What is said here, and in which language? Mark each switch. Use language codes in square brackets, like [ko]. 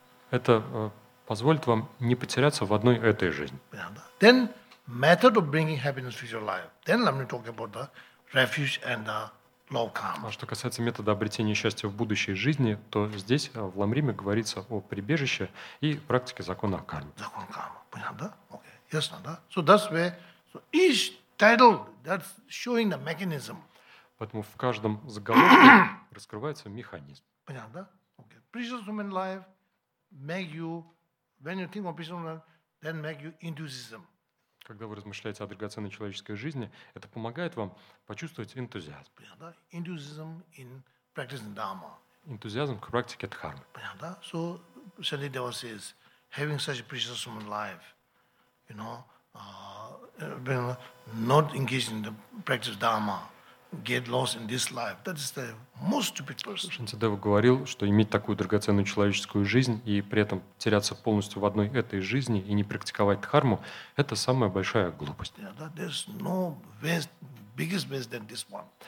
[ru] Это позволит вам не потеряться в одной этой жизни. [en] Then method of bringing happiness to your life. Then let me talk about the refuge and the [ru] А что касается метода обретения счастья в будущей жизни, то здесь в Ламриме говорится о прибежище и практике закона о карме. Закон кармы. Понятно, да? Окей. Ясно, да? [en] So that's where, so each title, that's showing the mechanism. [ru] Поэтому в каждом заголовке раскрывается механизм. Понятно, да? Окей. [en] Precious human life make you, when you think of precious human life, then make you enthusiasm. [ru] Когда вы размышляете о драгоценной человеческой жизни, это помогает вам почувствовать энтузиазм. [en] Enthusiasm in practicing dharma. [ru] Энтузиазм к практике дхармы. Понятно, да? [en] So, Shantideva says, having such a precious human life, you know, when not engaged in the practice dharma, get lost in this life. That is the most stupid person. [ru] Шантидева говорил, что иметь такую драгоценную человеческую жизнь и при этом теряться полностью в одной этой жизни и не практиковать дхарму – это самая большая глупость. [en] Yeah, that, there's no waste, biggest waste than this one.